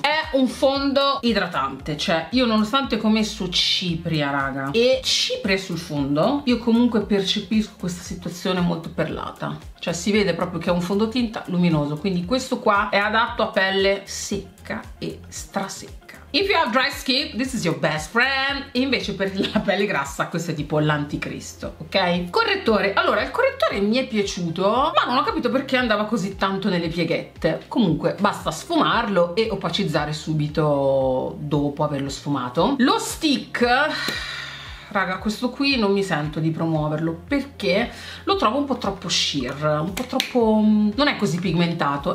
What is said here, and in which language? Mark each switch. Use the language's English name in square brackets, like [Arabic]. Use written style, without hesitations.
[Italian] È un fondo idratante, cioè io nonostante ho messo cipria, raga, e cipria sul fondo, io comunque percepisco questa situazione molto perlata. Cioè si vede proprio che è un fondotinta luminoso, quindi questo qua è adatto a pelle secca e strasecca. [English] If you have dry skin, this is your best friend. [Italian] Invece per la pelle grassa questo è tipo l'anticristo, ok? Correttore. Allora, il correttore mi è piaciuto, ma non ho capito perché andava così tanto nelle pieghette. Comunque, basta sfumarlo e opacizzare subito dopo averlo sfumato. Lo stick, raga, questo qui non mi sento di promuoverlo perché lo trovo un po' troppo sheer, un po' troppo, non è così pigmentato.